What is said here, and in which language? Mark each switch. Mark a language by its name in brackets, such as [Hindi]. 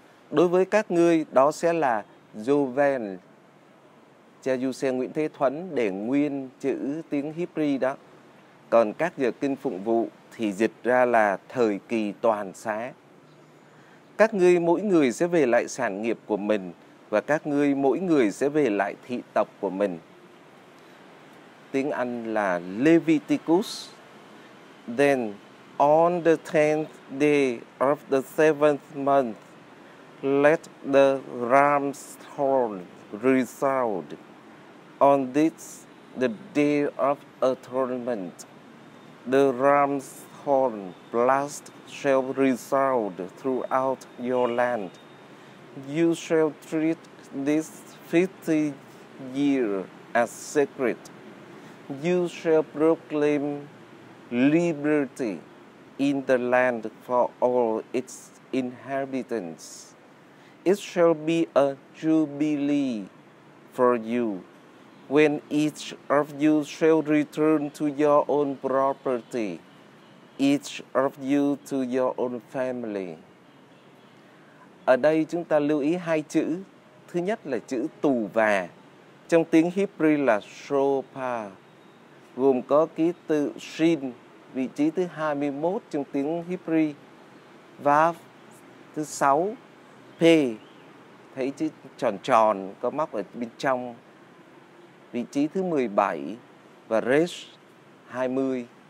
[Vietnamese] Đối với các ngươi, đó sẽ là Jovel. Cha Giuse Nguyễn Thế Thuấn để nguyên chữ tiếng Hebrew đó. Còn các giờ kinh phụng vụ thì dịch ra là thời kỳ toàn xá. Các ngươi mỗi người sẽ về lại sản nghiệp của mình và các ngươi mỗi người sẽ về lại thị tộc của mình. Tiếng Anh là Leviticus. [English] Then on the 10th day of the 7th month, let the ram's horn resound on this the day of atonement. The ram's horn blast shall resound throughout your land. You shall treat this 50 year as sacred. You shall proclaim liberty in the land for all its inhabitants. It shall be a jubilee for you when each of you shall return to your own property, each of you to your own family. [Vietnamese] Ở đây chúng ta lưu ý hai chữ. Thứ nhất là chữ tù và. Trong tiếng Hebrew là shopa, gồm có ký tự shin, vị trí thứ 21 trong tiếng Hebrew, vav thứ 6, p, thấy chữ tròn tròn có móc ở bên trong, vị trí thứ 17 và resh 20.